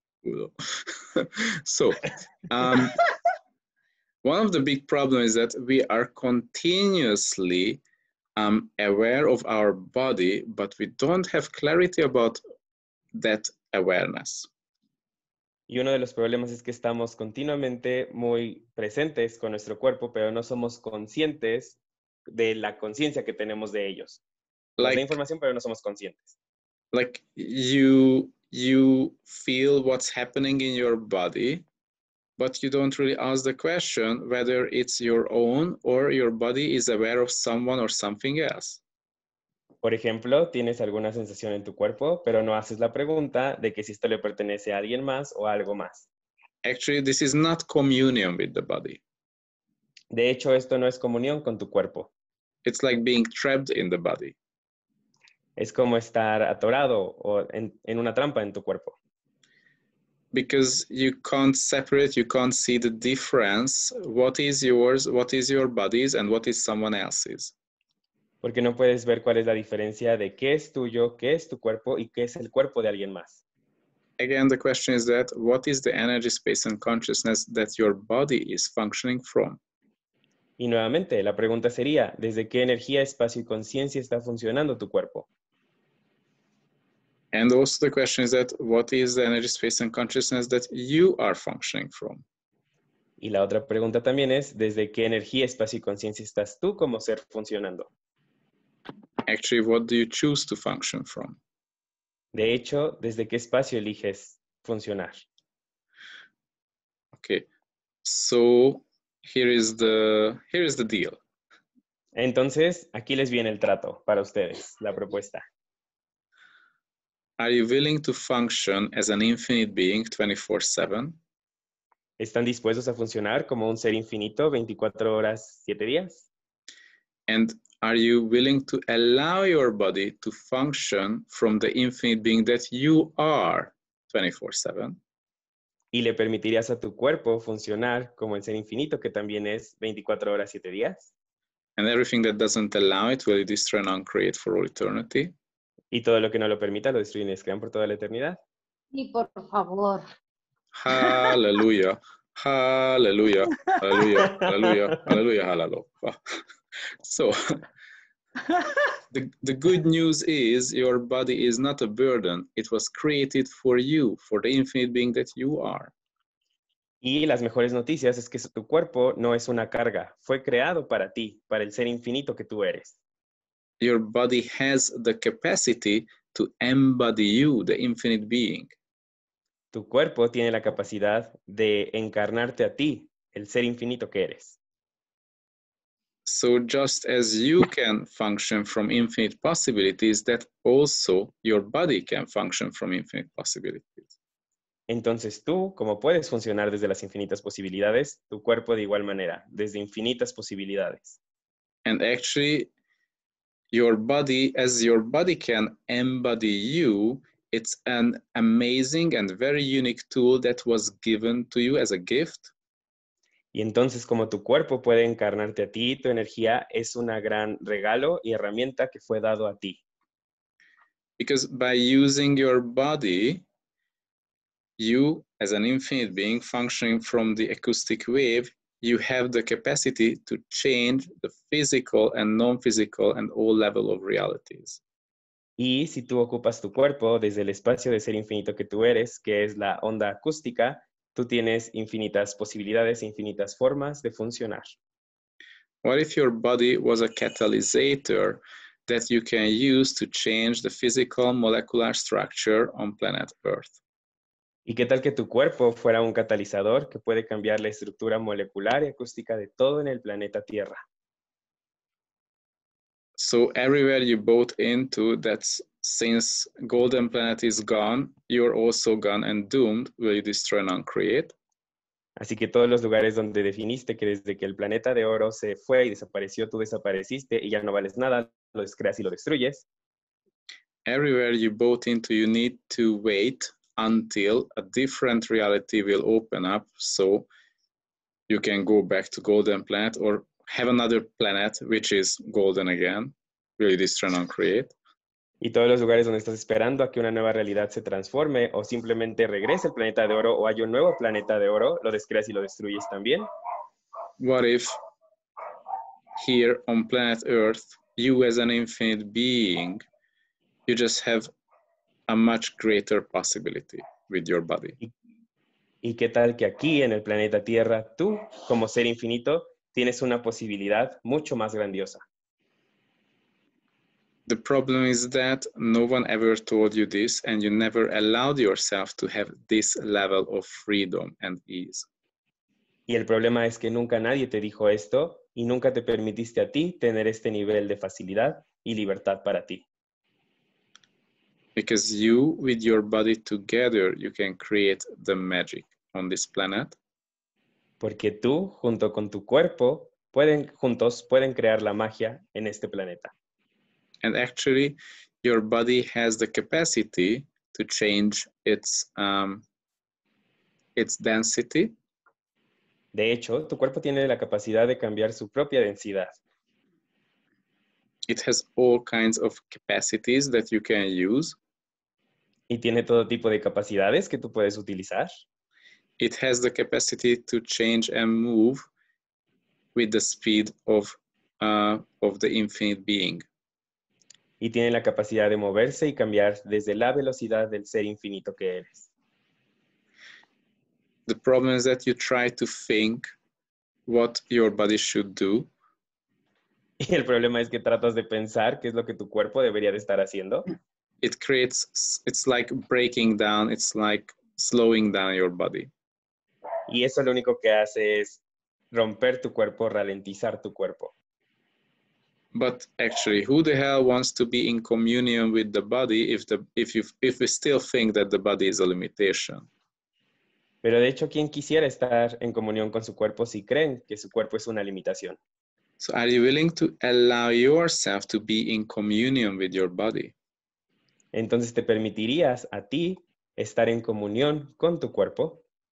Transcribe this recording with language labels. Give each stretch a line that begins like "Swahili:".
English: Culo. So, one of the big problems is that we are continuously aware of our body, but we don't have clarity about that awareness.
Spanish: Y uno de los problemas es que estamos continuamente muy presentes con nuestro cuerpo, pero no somos conscientes de la conciencia que tenemos de ellos. Like, de información, pero no somos conscientes.
English: Like you feel what's happening in your body, but you don't really ask the question whether it's your own or your body is aware of someone or something else.
Spanish: Por ejemplo, tienes alguna sensación en tu cuerpo, pero no haces la pregunta de que si esto le pertenece a alguien más o a algo más.
English: Actually, this is not communion with the body.
Spanish: De hecho, esto no es comunión con tu cuerpo.
English: It's like being trapped in the body.
Spanish: Es como estar atorado o en una trampa en tu cuerpo.
English: Because you can't separate, you can't see the difference. What is yours, what is your body's, and what is someone else's.
Spanish: Porque no puedes ver cuál es la diferencia de qué es tuyo, qué es tu cuerpo y qué es el cuerpo de alguien más.
English: Again, the question is that, what is the energy, space and consciousness that your body is functioning from?
Spanish: Y nuevamente, la pregunta sería, ¿desde qué energía, espacio y conciencia está funcionando tu cuerpo?
English: And also the question is that, what is the energy, space and consciousness that you are functioning from?
Spanish: Y la otra pregunta también es, ¿desde qué energía, espacio y conciencia estás tú como ser funcionando?
English: Actually, what do you choose to function from?
Spanish: De hecho, ¿desde qué espacio eliges funcionar?
English: Okay, so here is the deal.
Spanish: Entonces, aquí les viene el trato para ustedes, la propuesta.
English: Are you willing to function as an infinite being 24/7?
Spanish: ¿Están dispuestos a funcionar como un ser infinito 24 horas, 7 días?
English: And are you willing to allow your body to function from the infinite being that you are 24/7?
Spanish: ¿Y le permitirías a tu cuerpo funcionar como el ser infinito que también es 24 horas, 7 días?
English: And everything that doesn't allow it will destroy and uncreate for all eternity.
Spanish: ¿Y todo lo que no lo permita lo destruyen y descrean por toda la eternidad? Sí, por favor. Hallelujah. Hallelujah. Hallelujah. Hallelujah. Hallelujah. Hallelujah.
English: So, the good news is your body is not a burden. It was created for you, for the infinite being that you are.
Spanish: Y las mejores noticias es que tu cuerpo no es una carga. Fue creado para ti, para el ser infinito que tú eres.
English: Your body has the capacity to embody you, the infinite being.
Spanish: Tu cuerpo tiene la capacidad de encarnarte a ti, el ser infinito que eres.
English: So just as you can function from infinite possibilities, that also your body can function from infinite possibilities.
Spanish: Entonces tú, como puedes funcionar desde las infinitas posibilidades, tu cuerpo de igual manera, desde infinitas posibilidades.
English: And actually, your body, as your body can embody you, it's an amazing and very unique tool that was given to you as a gift.
Spanish: Y entonces, como tu cuerpo puede encarnarte a ti, tu energía es un gran regalo y herramienta que fue dado a ti.
English: Because by using your body, you, as an infinite being functioning from the acoustic wave, you have the capacity to change the physical and non-physical and all level of realities.
Spanish: Y si tú ocupas tu cuerpo desde el espacio de ser infinito que tú eres, que es la onda acústica, tú tienes infinitas posibilidades, infinitas formas de funcionar.
English: What if your body was a catalysator that you can use to change the physical molecular structure on planet Earth?
Spanish: ¿Y qué tal que tu cuerpo fuera un catalizador que puede cambiar la estructura molecular y acústica de todo en el planeta Tierra?
English: So everywhere you bought into, that's since Golden Planet is gone, you're also gone and doomed. Will you destroy and uncreate?
Spanish: Así que todos los lugares donde definiste que desde que el planeta de oro se fue y desapareció, tú desapareciste y ya no vales nada, lo descreas y lo destruyes.
English: Everywhere you bought into, you need to wait until a different reality will open up so you can go back to Golden Planet or have another planet which is golden again. Really destroy and uncreate.
Spanish: Y todos los lugares donde estás esperando a que una nueva realidad se transforme o simplemente regrese el planeta de oro o haya un nuevo planeta de oro, lo descreas y lo destruyes también.
English: What if here on planet Earth, you as an infinite being, you just have a much greater possibility with your body?
Spanish: ¿Y qué tal que aquí en el planeta Tierra, tú, como ser infinito, tienes una posibilidad mucho más grandiosa?
English: The problem is that no one ever told you this and you never allowed yourself to have this level of freedom and ease.
Spanish: Y el problema es que nunca nadie te dijo esto y nunca te permitiste a ti tener este nivel de facilidad y libertad para ti.
English: Because you with your body together, you can create the magic on this planet.
Spanish: Porque tú junto con tu cuerpo juntos pueden crear la magia en este planeta.
English: And actually, your body has the capacity to change its density.
Spanish: De hecho, tu cuerpo tiene la capacidad de cambiar su propia densidad.
English: It has all kinds of capacities that you can use.
Spanish: Y tiene todo tipo de capacidades que tú puedes utilizar.
English: It has the capacity to change and move with the speed of the infinite being.
Spanish: Y tiene la capacidad de moverse y cambiar desde la velocidad del ser infinito que eres.
English: The problem is that you try to think what your body should do.
Spanish: Y el problema es que tratas de pensar qué es lo que tu cuerpo debería de estar haciendo.
English: It creates, it's like breaking down, it's like slowing down your body.
Spanish: Y eso lo único que hace es romper tu cuerpo, ralentizar tu cuerpo.
English: But actually, who the hell wants to be in communion with the body if we still think that the body is a limitation?
Spanish: Pero de hecho, ¿quién quisiera estar en comunión con su cuerpo si creen que su cuerpo es una limitación?
English: So are you willing to allow yourself to be in communion with your body?
Spanish: Entonces, ¿te permitirías a ti estar en comunión con tu cuerpo?